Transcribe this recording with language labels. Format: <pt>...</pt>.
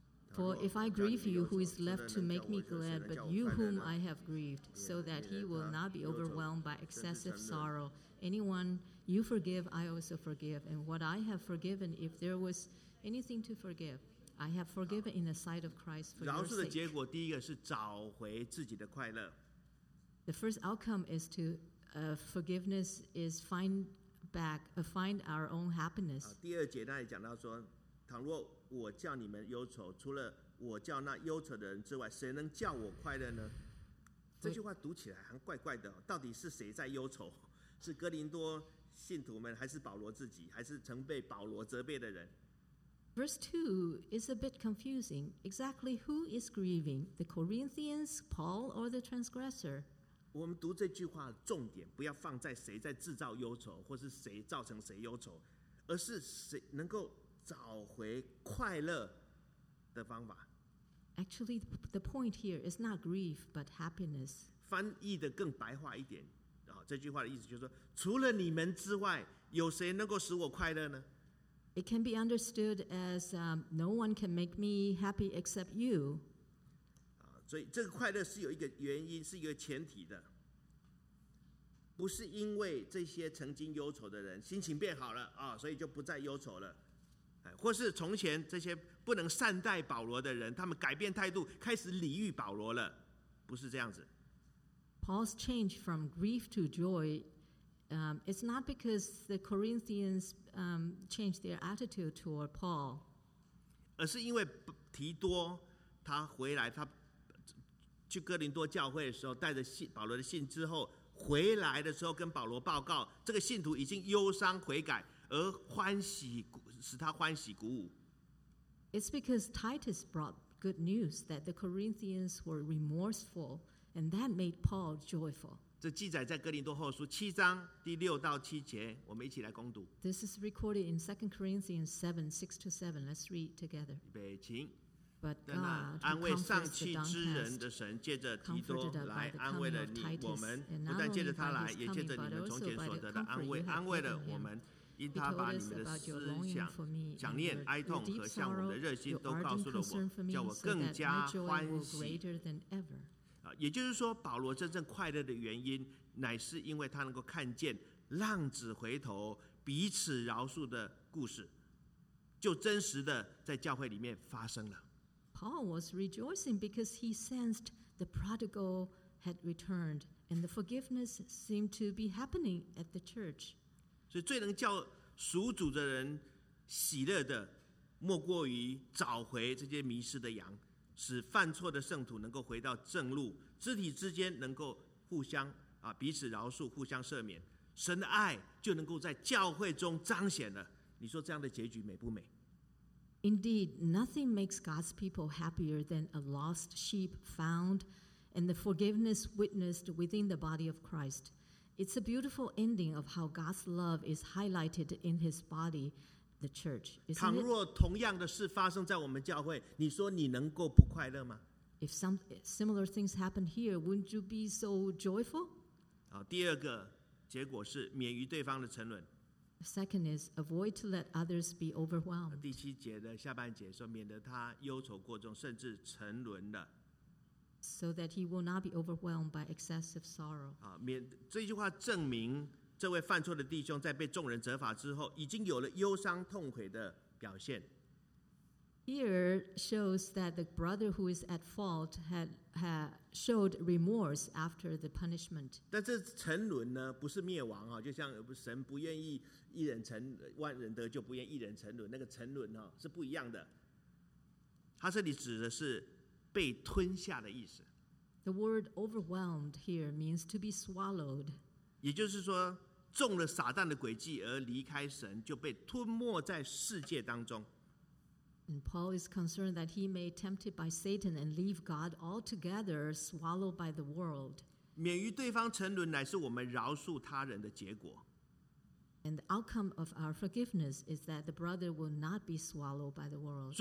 <en>For if I grieve you, who is left to make me glad, but you whom I have grieved, so that he will not be overwhelmed by excessive sorrow. Anyone you forgive, I also forgive. And what I have forgiven, if there was anything to forgive. I have forgiven in the sight of Christ for your sake.</en> <zh>饶恕的结果，第一个是找回自己的快乐。</zh> <en>The first outcome is to forgiveness is find our own happiness.</en> <zh>第二节那里讲到说，倘若我叫你们忧愁，除了我叫那忧愁的人之外，谁能叫我快乐呢？这句话读起来很怪怪的，到底是谁在忧愁？是哥林多信徒们，还是保罗自己，还是曾被保罗责备的人？</zh> <en>Verse 2 is a bit confusing. Exactly who is grieving? The Corinthians, Paul, or the transgressor?</en> <zh>我们读这句话的重点不要放在谁在制造忧愁，或是谁造成谁忧愁，而是谁能够找回快乐的方法。</zh> <en>Actually, the point here is not grief, but happiness.</en> <zh>翻译的更白话一点，这句话的意思就是说，除了你们之外，有谁能够使我快乐呢？</zh> <en>It can be understood as no one can make me happy except you.</en> <zh>所以这个快乐是有一个原因，是一个前提的，不是因为这些曾经忧愁的人心情变好了所以就不再忧愁了，或是从前这些不能善待保罗的人，他们改变态度，开始礼遇保罗了，不是这样子。</zh> <en>Paul's change from grief to joy. It's not because the Corinthians changed their attitude toward Paul.</en> <zh>而是因为提多他回来，他去哥林多教会的时候带着信保罗的信之后，回来的时候跟保罗报告，这个信徒已经忧伤悔改，而欢喜使他欢喜鼓舞。</zh> <en>It's because Titus brought good news that the Corinthians were remorseful, and that made Paul joyful.</en> <zh>这记载在哥林多后书七章第六到七节，我们一起来攻读。</zh> <en>This is recorded in 2 Corinthians 7, 6 to 7. Let's read together.</en> <zh>预备，请。</zh> <en>But God,</en> <zh>安慰丧气之人的神，借着提多来安慰了你我们，不但借着他来，也借着你们从前所得的安慰，安慰了我们。因他把你们的思想、想念、哀痛和向我们的热心都告诉了我，叫我更加欢喜。也就是说，保罗真正快乐的原因，乃是因为他能够看见浪子回头、彼此饶恕的故事，就真实的在教会里面发生了。</zh> <en>Paul was rejoicing because he sensed the prodigal had returned, and the forgiveness seemed to be happening at the church.</en> <zh>所以最能叫属主的人喜乐的，莫过于找回这些迷失的羊，使犯错的圣徒能够回到正路，肢体之间能够互相啊彼此饶恕、互相赦免，神的爱就能够在教会中彰显了。你说这样的结局美不美？</zh> <en>Indeed, nothing makes God's people happier than a lost sheep found and the forgiveness witnessed within the body of Christ. It's a beautiful ending of how God's love is highlighted in his body. The church,</en> <zh>倘若同样的事发生在我们教会，你说你能够不快乐吗？</zh> <en>If some similar things happen here, wouldn't you be so joyful?</en> <zh>第二个结果是免于对方的沉沦。</zh> <en>Second is avoid to let others be overwhelmed.</en> <zh>第七节的下半节说，免得他忧愁过重，甚至沉沦了。</zh> <en>So that he will not be overwhelmed by excessive sorrow.</en> <zh>这句话证明。这位犯错的弟兄在被众人责罚之后，已经有了忧伤痛悔的表现。</zh> <en>Here shows that the brother who is at fault had showed remorse after the punishment.</en> <zh>但这沉沦呢，不是灭亡啊，就像神不愿意一人沉万人得救，不愿意一人沉沦，那个沉沦啊是不一样的。他这里指的是被吞下的意思。</zh> <en>The word overwhelmed here means to be swallowed.</en> <zh>也就是说，中了撒旦的诡计而离开神，就被吞没在世界当中。</zh> <en>And Paul is concerned that he may be tempted by Satan and leave God altogether, swallowed by the world.</en> <zh>免于对方沉沦，乃是我们饶恕他人的结果。</zh> <en>And the outcome of our forgiveness is that the brother will not be swallowed by the world.</en>